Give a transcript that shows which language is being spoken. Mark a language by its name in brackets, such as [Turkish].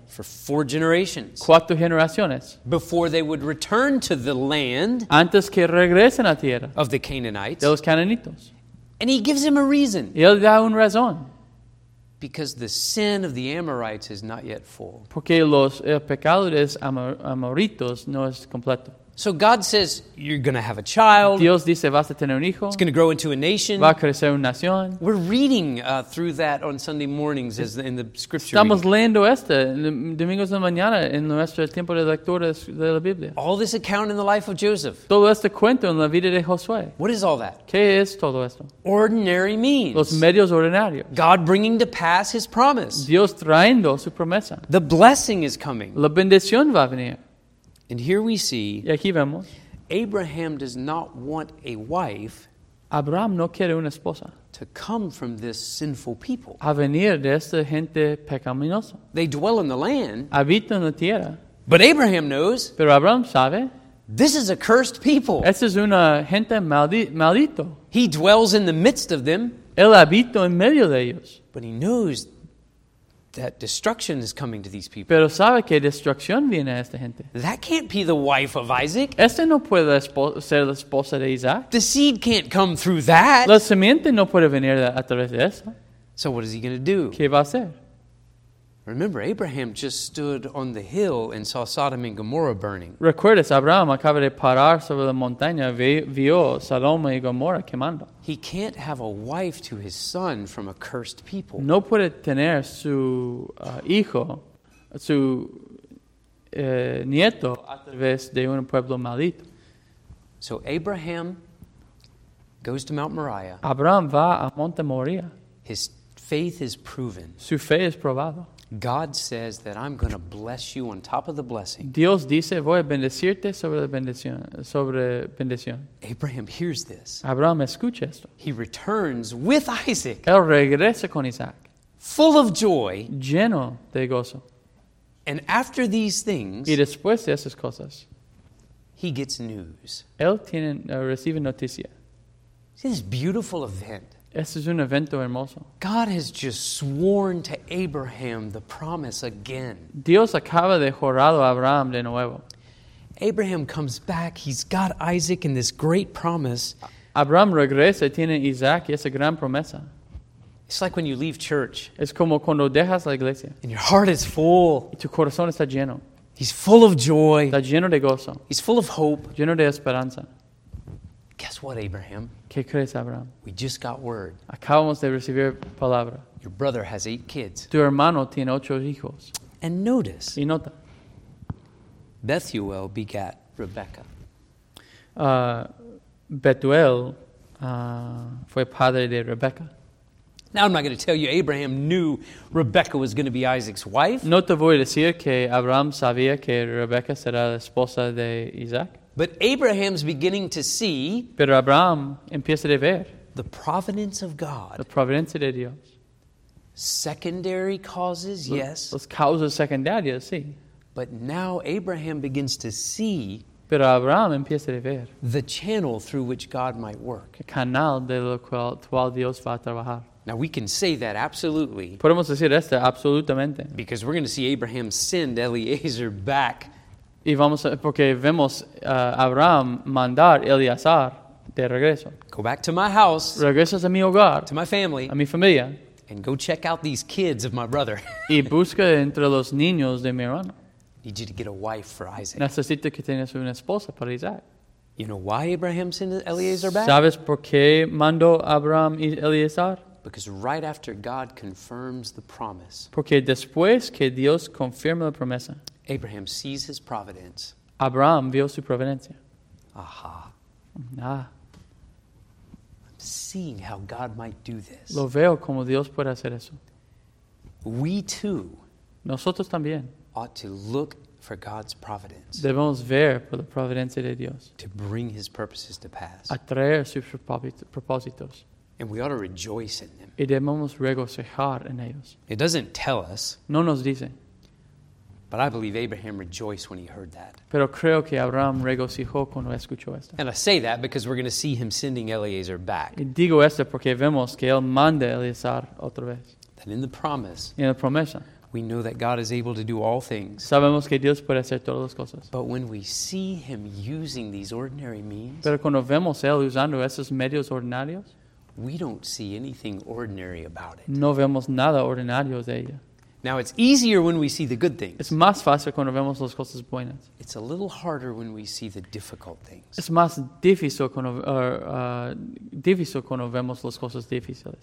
[English] For four generations. [Spanish] Cuatro generaciones. [English] Before they would return to the land. [Spanish] Antes que regresen a tierra. [English] Of the Canaanites. [Spanish] De los cananitos. [English] And he gives him a reason. [Spanish] Y él da un razón. [English] Because the sin of the Amorites is not yet full. [Spanish] Porque el pecado de los amoritos no es completo. [English] So God says, you're going to have a child. [Spanish] Dios dice, vas a tener un hijo. [English] It's going to grow into a nation. [Spanish] Va a crecer una nación. [English] We're reading through that on Sunday mornings as in the scripture. [Spanish] Estamos leyendo esto domingos de mañana en nuestro tiempo de lectura de la Biblia. [English] All this account in the life of Joseph. [Spanish] Todo este cuento en la vida de Josué. [English] What is all that? [Spanish] ¿Qué es todo esto? [English] Ordinary means. [Spanish] Los medios ordinarios. [English] God bringing to pass his promise. [Spanish] Dios trayendo su promesa. [English] The blessing is coming. [Spanish] La bendición va a venir. [English] And here we see, [Spanish] y aquí vemos, [English] Abraham does not want a wife. [Spanish] Abraham no quiere una esposa. [English] To come from this sinful people. [Spanish] A venir de esta gente pecaminosa. [English] They dwell in the land. [Spanish] Habitan en la tierra. [English] But Abraham knows. [Spanish] Pero Abraham sabe. [English] This is a cursed people. [Spanish] Esta es una gente maldito. [English] He dwells in the midst of them. [Spanish] Él habita en medio de ellos. [English] But he knows that destruction is coming to these people. [Spanish] Pero sabe que destrucción viene a esta gente. [English] That can't be the wife of Isaac. [Spanish] Esta no puede ser la esposa de Isaac. [English] The seed can't come through that. [Spanish] La simiente no puede venir a través de eso. [English] So what is he going to do? [Spanish] ¿Qué va a hacer? [English] Remember, Abraham just stood on the hill and saw Sodom and Gomorrah burning. [Spanish] Recuerdas, Abraham acaba de parar sobre la montaña y vio Sodoma y Gomorra quemando. [English] He can't have a wife to his son from a cursed people. [Spanish] No puede tener su hijo, su nieto, a través de un pueblo maldito. [English] So Abraham goes to Mount Moriah. [Spanish] Abraham va a Monte Moriah. [English] His faith is proven. [Spanish] Su fe es probada. [English] God says that I'm going to bless you on top of the blessing. [Spanish] Dios dice, voy a bendecirte sobre la bendición. Sobre bendición. [English] Abraham hears this. [Spanish] Abraham escucha esto. [English] He returns with Isaac. [Spanish] Él regresa con Isaac. [English] Full of joy. [Spanish] Lleno de gozo. [English] And after these things. [Spanish] Y después de esas cosas. [English] He gets news. [Spanish] Él tiene, recibe noticia. [English] See this beautiful event. [Spanish] Este es un evento hermoso. [English] God has just sworn to Abraham the promise again. [Spanish] Dios acaba de jurar a Abraham de nuevo. [English] Abraham comes back. He's got Isaac and this great promise. [Spanish] Abraham regresa y tiene Isaac y esa gran promesa. [English] It's like when you leave church. [Spanish] Es como cuando dejas la iglesia. [English] And your heart is full. [Spanish] Y tu corazón está lleno. [English] He's full of joy. [Spanish] Está lleno de gozo. [English] He's full of hope. [Spanish] Lleno de esperanza. [English] what, Abraham? [Spanish] ¿Qué crees, Abraham? [English] We just got word. [Spanish] Acabamos de recibir palabra. [English] Your brother has 8 kids. [Spanish] Tu hermano tiene 8 hijos. [English] And notice. [Spanish] Y nota. [English] Bethuel begat Rebecca. [Spanish] Bethuel fue padre de Rebecca. [English] Now I'm not going to tell you Abraham knew Rebecca was going to be Isaac's wife. [Spanish] No te voy a decir que Abraham sabía que Rebecca será la esposa de Isaac. [English] But Abraham's beginning to see. [Spanish] Pero Abraham empieza a ver. [English] The providence of God. [Spanish] La providencia de Dios. [English] Secondary causes, yes. [Spanish] Las causas secundarias, sí. [English] But now Abraham begins to see. [Spanish] Pero Abraham empieza a ver. [English] The channel through which God might work. [Spanish] El canal de lo cual Dios va a trabajar. [English] Now we can say that absolutely. [Spanish] Podemos decir esto absolutamente. [English] Because we're going to see Abraham send Eliezer back. [Spanish] Y vamos a, porque vemos Abraham mandar Eliezer de regreso. [English] Go back to my house. [Spanish] Regresas a mi hogar. [English] To my family. [Spanish] A mi familia. [English] And go check out these kids of my brother. [Spanish] Y busca entre los niños de mi hermano. [English] Need you to get a wife for Isaac. [Spanish] Necesito que tengas una esposa para Isaac. [English] You know why Abraham sent Eliezer back? [Spanish] ¿Sabes por qué mandó Abraham Eliezer? [English] Because right after God confirms the promise. [Spanish] Porque después que Dios confirma la promesa. [English] Abraham sees his providence. [Spanish] Abraham vio su providencia. [English] Aha. [Spanish] Ah. [English] I'm seeing how God might do this. [Spanish] Lo veo como Dios puede hacer eso. [English] We too. [Spanish] Nosotros también. [English] Ought to look for God's providence. [Spanish] Debemos ver por la providencia de Dios. [English] To bring his purposes to pass. [Spanish] A traer sus propósitos. [English] And we ought to rejoice in them. [Spanish] Y debemos regocijar en ellos. [English] It doesn't tell us. [Spanish] No nos dice. [English] But I believe Abraham rejoiced when he heard that. [Spanish] Pero creo que Abraham regocijó cuando escuchó esto. [English] And I say that because we're going to see him sending Eliezer back. [Spanish] Y digo esto porque vemos que él manda Eliezer otra vez. [English] That in the promise. [Spanish] En la promesa. [English] We know that God is able to do all things. [Spanish] Sabemos que Dios puede hacer todas las cosas. [English] But when we see him using these ordinary means. [Spanish] Pero cuando vemos él usando esos medios ordinarios. [English] We don't see anything ordinary about it. [Spanish] No vemos nada ordinario de ella. [English] Now it's easier when we see the good things. [Spanish] Es más fácil cuando vemos las cosas buenas. [English] It's a little harder when we see the difficult things. [Spanish] Es más difícil cuando, difícil cuando vemos las cosas difíciles.